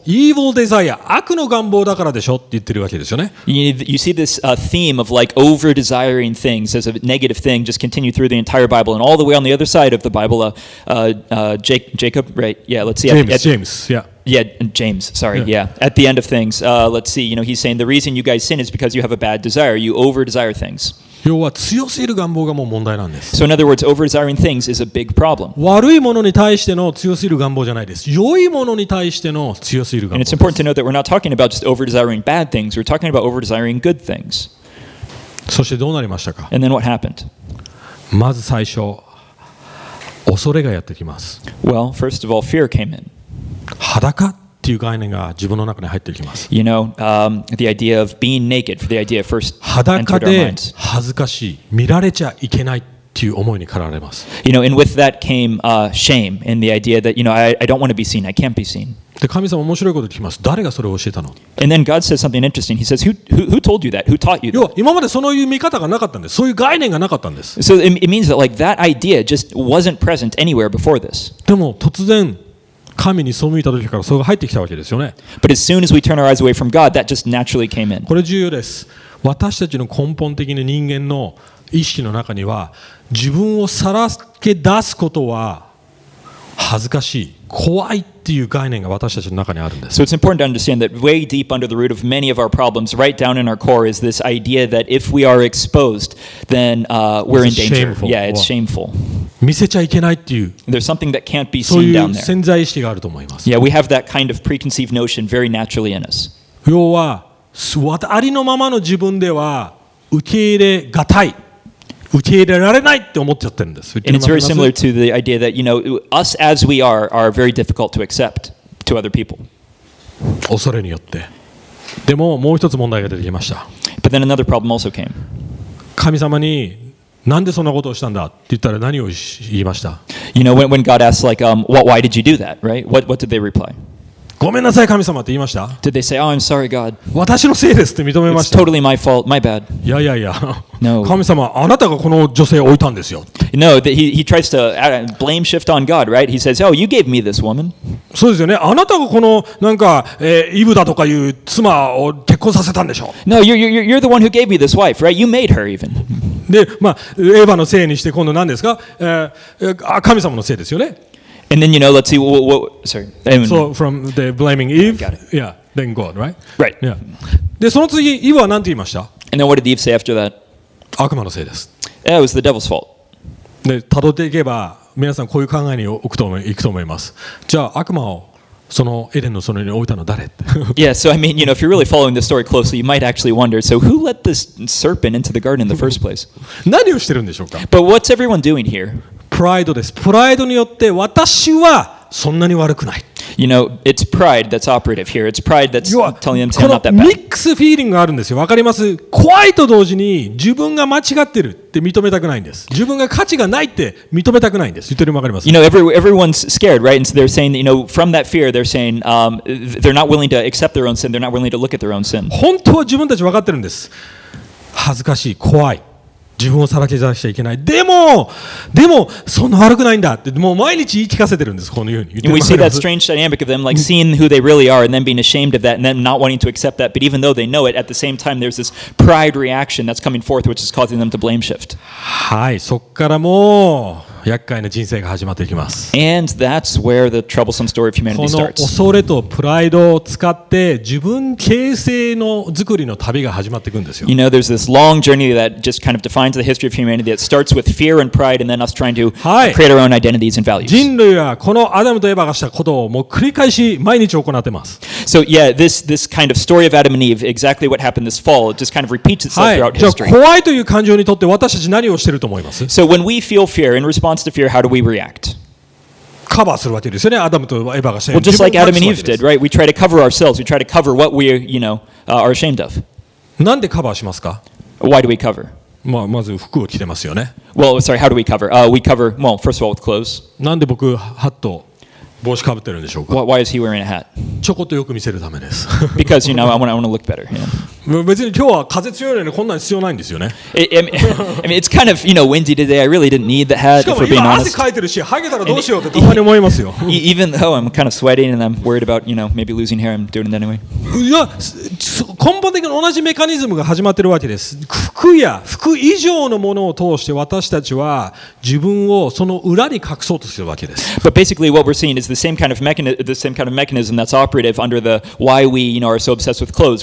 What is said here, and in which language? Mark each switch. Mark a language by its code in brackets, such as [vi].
[en] Evil desire, [ja] 悪の願望だからでしょって言ってるわけですよね。 [en] You see this theme of like over desiring things as a negative thing just continue through the entire Bible and all the way on the other side of the Bible. Jacob, right? Yeah, let's see. James. At the end of things, let's see. You know, he's saying the reason you guys sin is because you have a bad desire. You over desire things. [ja] 要は強すぎる願望がもう問題なんです。 [en] So in other words, over-desiring things is a big problem. [ja] 悪いものに対しての強すぎる願望じゃないです。良いものに対しての強すぎる願望です。 [en] And it's important to note that we're not talking about just over-desiring bad things. We're talking about over-desiring good things. [ja] そしてどうなりましたか? [en] And then what happened? [ja] まず最初、恐れがやってきます。 [en] Well, first of all, fear came in. [ja] 裸っていう概念が自分の中に入ってきます。 [en] You know, the idea of being naked, for the idea of first entered our minds. [ja] 裸で恥ずかしい、見られちゃいけないっていう思いに駆られます。 [en] You know, and with that came shame and the idea that, you know, I don't want to be seen, I can't be seen. [ja] で、神様面白いこと聞きます。誰がそれを教えたの? [en] And then God says something interesting. He says, who told you that? Who taught you that? [ja] 要は今までそういう見方がなかったんです。そういう概念がなかったんです。 [en] So it means that, like, that idea just wasn't present anywhere before this. [ja] でも突然神に背いた時からそれが入ってきたわけですよね。 [en] But as soon as we turn our eyes away from God, that just naturally came in. [ja] これ重要です。私たちの根本的な人間の意識の中には、自分をさらけ出すことは恥ずかしい、怖いっていう概念が私たちの中にあるんです。 [en] So it's important to understand that way deep under the root of many of our problems, right down in our core, is this idea that if we are exposed, then we're in danger. Shameful. Yeah, it's shameful. [ja] 見せちゃいけないっていう。 [en] There's something that can't be seen down there. [ja] そういう潜在意識があると思います。 [en] Yeah, we have that kind of preconceived notion very naturally in us. [ja] 要は、ありのままの自分では受け入れがたい。受け入れられないって思っちゃってるんです。 [en] And it's very similar to the idea that, you know, us as we are very difficult to accept to other people. [ja] 恐れによって。でももう一つ問題が出てきました。 [en] But then another problem also came. [ja] 神様に、なんでそんなことをしたんだって言ったら何を言いました。 [en] You know, when God asked, like, why did you do that, right? What did they reply? [ja] ごめんなさい神様って言いました。 [en] Did they say, oh, I'm sorry, God. [ja] 私のせいですって認めました。 [en] It's totally my fault, my bad. [ja] いやいやいや。 [en] No. [ja] 神様、あなたがこの女性を置いたんですよ。 [en] No, he tries to blame shift on God, right? He says, oh, you gave me this woman. [ja] そうですよね。あなたがこのなんか、イブだとかいう妻を結婚させたんでしょう。 [en] No, you're the one who gave me this wife, right? You made her even. [ja] で、まあ、エヴァのせいにして今度何ですか、神様のせいですよね。 [en] And then, you know, let's see, what, sorry. So, from the blaming Eve, yeah, then God, right? Right. Yeah. [ja] で、その次、イブは何て言いました? [en] And then what did Eve say after that? [ja] 悪魔のせいです。 [en] Yeah, it was the devil's fault. [ja] で、辿っていけば、皆さんこういう考えに行くと思います。じゃあ、悪魔をそのエデンの園に置いたのは誰? [en] Yeah, so I mean, you know, if you're really following the story closely, you might actually wonder, so who let this serpent into the garden in the first place? [ja] 何をしてるんでしょうか? [en] But what's everyone doing here? [ja] Pride です。Pride によって私はそんなに悪くない。 [en] You know, it's pride that's operative here. It's pride that's telling them to not that bad. [ja] ミックスフィーリングがあるんですよ。わかります?怖いと同時に自分が間違ってるって認めたくないんです。自分が価値がないって認めたくないんです。言ってるのもわかります。 [en] You know, everyone's scared, right? And so they're saying, you know, from that fear, they're saying, they're not willing to accept their own sin. They're not willing to look at their own sin. [ja] 本当は自分たちわかってるんです。恥ずかしい、怖い。自分をさらけ出しちゃいけない。でもそんな悪くないんだってもう毎日言い聞かせてるんです。このように。 [en] We see that strange dynamic of them like seeing who they really are and then being ashamed of that and then not wanting to accept that. But even though they know it, at the same time there's this pride reaction that's coming forth which is causing them to blame shift. [ja] はい、そこからもう厄介な人生が始まっていきます。 [en] And that's where the troublesome story of humanity starts. [ja] この恐れとプライドを使って自分形成の作りの旅が始まっていくんですよ。 [en] You know, there's this long journey that just kind of defines the history of humanity. It starts with fear and pride and then us trying to create our own identities and values. [ja] 人類はこのアダムとエヴァがしたことをもう繰り返し毎日行っています。 [en] So yeah, this kind of story of Adam and Eve, exactly what happened this fall, it just kind of repeats itself throughout history. [ja] じゃあ怖いという感情にとって私たち何をしてると思います? [en] So when we feel fear, in response to fear, how do we react? [ja] カバーするわけですよね。アダムとエヴァがして。 [en] Well, just like Adam and Eve did, right? We try to cover ourselves. We try to cover what we, you know, are ashamed of. [ja] なんでカバーしますか? [en] Why do we cover? [ja] まあ、まず服を着てますよね。 [en] Well, sorry, how do we cover? We cover, well, first of all, with clothes. [ja] なんで僕、ハット、帽子かぶってるんでしょうか? [en] Why is he wearing a hat? [ja] ちょこっとよく見せるためです。 [en] Because, you know, I want to look better. You know? [ja] 別に今日は風強いのにこんなに必要ないんですよね。 [en] I mean, it's kind of, you know, windy today. I really didn't need the hat, if we're being honest. [ja] しかも今汗かいてるし、剥げたらどうしようってたまに思いますよ。 [en] Even though I'm kind of sweating and I'm worried about, you know, maybe losing hair, I'm doing it anyway. [ja] いや、根本的に同じメカニズムが始まってるわけです。服や服以上のものを通して私たちは自分をその裏に隠そうとするわけです。 [en] But basically what we're seeing is the same kind of mechanism that's operative under the why we, you know, are so obsessed with clothes.